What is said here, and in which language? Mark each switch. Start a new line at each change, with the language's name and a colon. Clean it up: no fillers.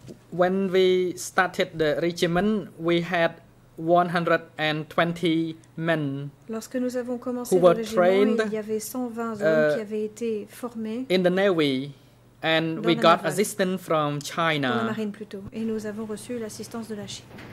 English: When we started the regiment, we had 120 men.
French: Lorsque nous avons commencé le régiment,
English: trained,
French: il y avait 120 hommes qui avaient été formés
English: in the Navy, and we got assistance from China.
French: Dans la marine plutôt, et nous avons reçu l'assistance de la Chine.